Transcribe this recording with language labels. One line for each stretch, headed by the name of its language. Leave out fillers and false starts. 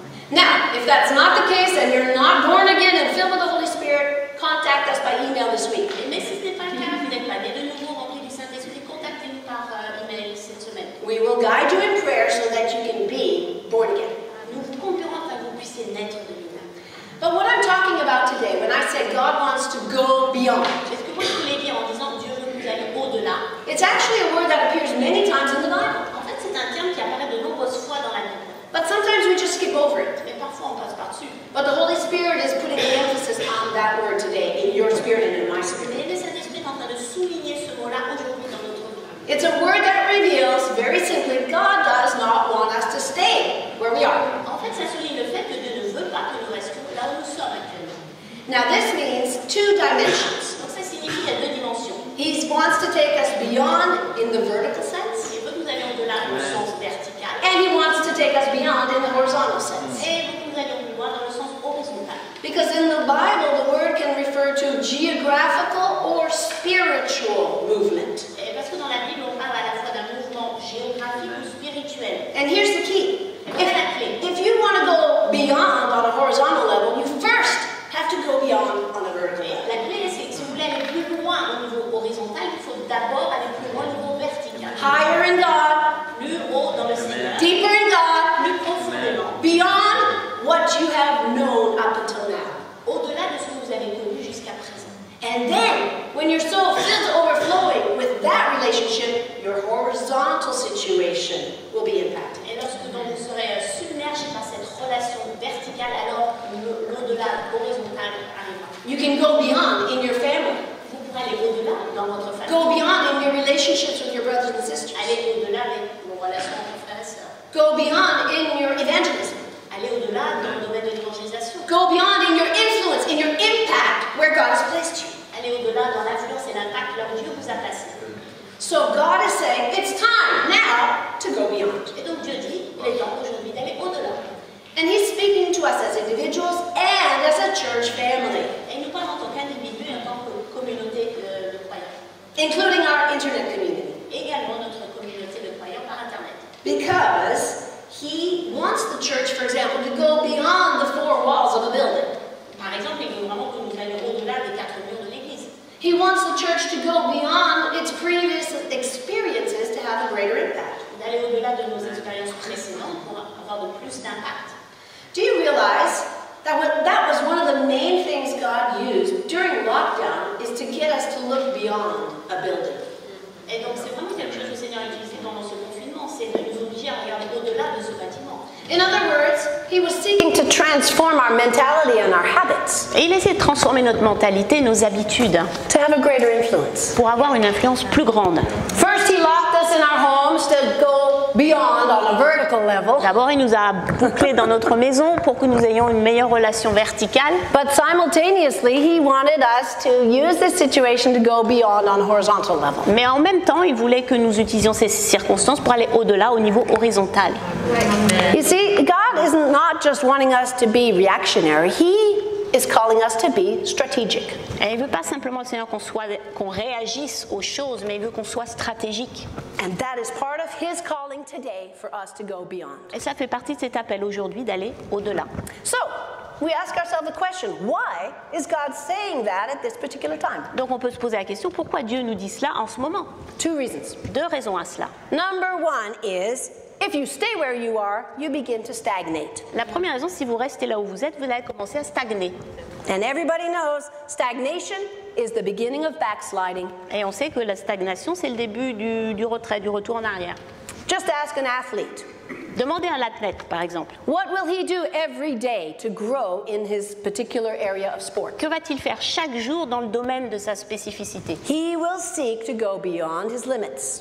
English: Now, if that's not the case and you're not born again and filled with the Holy Spirit, contact us by email this week.
French: Mais si ce n'est pas le cas, vous n'êtes pas né de nouveau rempli du Saint-Esprit, contactez-nous par email cette semaine.
English: We will guide you in prayer so that you can be born again.
French: Nous vous comprenons afin que vous puissiez naître de nouveau.
English: But what I'm talking about today, when I say God wants to go beyond, it's actually a word that appears many times in the Bible.
French: En fait, c'est un terme qui apparaît de nombreuses fois dans la Bible.
English: But sometimes we just skip over it.
French: Mais parfois, on passe par-dessus.
English: But the Holy Spirit is putting an emphasis on that word today, in your spirit and in my spirit.
French: Mais le Saint-Esprit est en train de souligner ce mot-là aujourd'hui dans notre vie.
English: It's a word that reveals, very simply, God does not want us to stay where we are.
French: En fait, ça souligne le fait que Dieu ne veut pas que nous restions là où nous sommes actuellement.
English: Now, this means two dimensions.
French: Donc, ça signifie qu'il y a deux dimensions.
English: He wants to take us beyond in the vertical sense.
French: Il veut nous aller au-delà au sens vertical.
English: And he wants to take us beyond in the horizontal sense.
French: Et il veut nous aller au-delà dans le sens horizontal.
English: Because in the Bible, the word can refer to geographical or spiritual movement.
French: Et parce que dans la Bible, on parle à la fois d'un mouvement géographique ou spirituel.
English: And here's the key. If you want to go beyond on a horizontal level, you first have to go beyond on a vertical level.
French: La clé, c'est que si vous voulez aller plus loin au niveau horizontal, il faut d'abord aller plus loin au niveau vertical.
English: Higher in God.
French: Plus haut dans le Seigneur.
English: Deeper in God.
French: Plus profondément.
English: Beyond what you have known up until now.
French: Au-delà de ce que vous avez connu jusqu'à présent.
English: And then, when your soul fills overflowing with that relationship, your horizontal situation will be impacted.
French: Et lorsque donc vous serez submergé par cette relation verticale, alors l'au-delà horizontal arrivera.
English: You can go beyond in your family.
French: Vous pourrez aller au-delà dans votre famille.
English: Go beyond in your relationships with your brothers and sisters.
French: Allez au-delà avec vos relations entre frères et sœurs.
English: Go beyond in your evangelism.
French: Allez au-delà dans le domaine de l'évangélisation.
English: Go beyond in your influence, in your impact, where God has placed you.
French: Allez au-delà dans l'influence et l'impact là où Dieu vous a placé.
English: So God is saying, it's time now to go beyond.
French: Et donc Dieu dit, il est temps aujourd'hui d'aller au-delà.
English: And he's speaking to us as individuals and as a church family.
French: Et nous parlons en tant qu'individus et en tant que communauté de croyants.
English: Including our internet community.
French: Également notre communauté de croyants par internet.
English: Because he wants the church, for example, to go beyond the four walls of a building.
French: Par exemple, il veut vraiment que nous allions au-delà des quatre murs de l'église.
English: He wants the church to go beyond its previous experiences to have a greater impact.
French: D'aller au-delà de nos expériences précédentes pour avoir de plus d'impact.
English: Do you realize that that was one of the main things God used during lockdown is to get us to look beyond a building?
French: Et donc c'est vraiment quelque chose que le Seigneur a utilisé pendant ce confinement, c'est de nous obliger à regarder au-delà de ce bâtiment.
English: In other words, he was seeking to transform our mentality and our habits.
French: Et il essaie de transformer notre mentalité, nos habitudes.
English: To have a greater influence.
French: Pour avoir une influence plus grande.
English: First, he locked us in our homes to go beyond on a vertical level.
French: D'abord, il nous a bouclés dans notre maison pour que nous ayons une meilleure relation verticale.
English: But simultaneously, he wanted us to use this situation to go beyond on a horizontal level.
French: Mais en même temps, il voulait que nous utilisions ces circonstances pour aller au-delà, au niveau horizontal.
English: You see, God is not just wanting us to be reactionary. He is calling us to be strategic.
French: Et il veut pas simplement, Seigneur, qu'on réagisse aux choses, mais il veut qu'on soit stratégique.
English: And that is part of his calling today for us to go beyond.
French: Et ça fait partie de cet appel aujourd'hui d'aller au-delà.
English: So, we ask ourselves a question. Why is God saying that at this particular time?
French: Donc on peut se poser la question, pourquoi Dieu nous dit cela en ce moment?
English: Two reasons.
French: Deux raisons à cela.
English: Number one is, if you stay where you are, you begin to stagnate.
French: La première raison, si vous restez là où vous êtes, vous allez commencer à stagner.
English: And everybody knows, stagnation is the beginning of backsliding.
French: Et on sait que la stagnation, c'est le début du retrait, du retour en arrière.
English: Just ask an athlete.
French: Demandez à un athlète, par exemple.
English: What will he do every day to grow in his particular area of sport?
French: Que va-t-il faire chaque jour dans le domaine de sa spécificité?
English: He will seek to go beyond his limits.